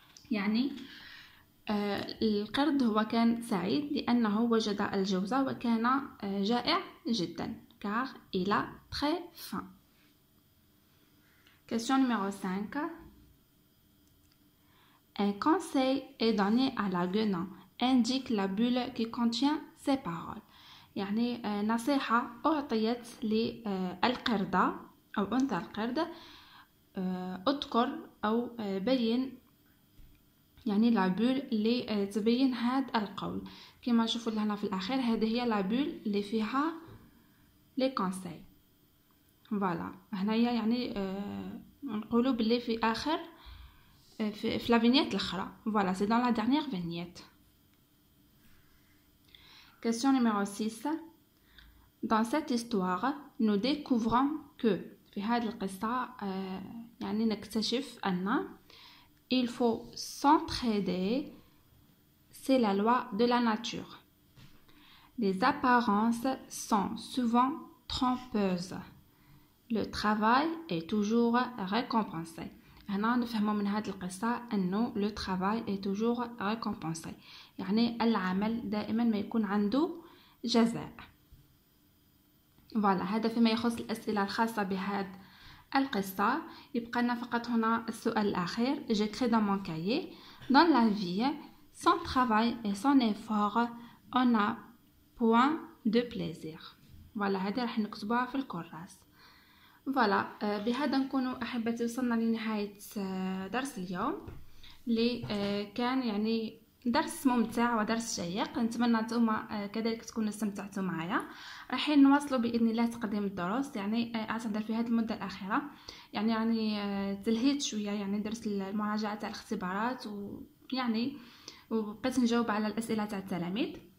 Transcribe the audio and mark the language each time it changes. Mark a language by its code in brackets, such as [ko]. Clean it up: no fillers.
[ar] Yani, القرد هو كان سعيد لأنه وجد الجوزة وكان جائع جدا [fr] car il a très faim. Question numéro 5. Un conseil est donné à la guenon. Indique la bulle qui contient ces paroles. [ar] يعني نصيحة أعطيت للقردة أو أنثى القرد. أذكر أو بين يعني لا بول اللي تبين هذا القول. كما نشوفوا هنا في الأخير هذه هي لا بول اللي فيها لي كونساي. فوالا هنايا يعني نقولوا باللي في اخر في لا فينيت الاخرى. [fr] فوالا سي دون لا ديرنيير فينيت. Question numéro 6. Dans cette histoire, nous découvrons que [ar] في هذه القصة يعني نكتشف ان [fr] il faut s'entraider, c'est la loi de la nature. Les apparences sont souvent trompeuses. Le travail est toujours récompensé. [ar] هنا نفهموا من هذه القصة انه [fr] le travail est toujours récompensé. [ar] يعني العمل دائما ما يكون عنده جزاء. فوالا هذا فيما يخص الأسئلة الخاصة بهذا القصة. يبقى لنا فقط هنا السؤال الأخير. [fr] J'écris dans mon cahier. Dans la vie, sans travail et sans effort, on n'a point de plaisir. [ar] فوالا هذا راح نكتبوها في الكراس. فوالا بهذا نكون احبتي وصلنا لنهايه درس اليوم اللي كان يعني درس ممتع ودرس شيق. نتمنى انتم كذلك تكونوا استمتعتوا معايا. راح نواصلوا باذن الله تقديم الدروس يعني اعتذر في هذه المده الاخيره يعني تلهيت شويه يعني درس المراجعه تاع الاختبارات ويعني وبقيت نجاوب على الاسئله تاع التلاميذ.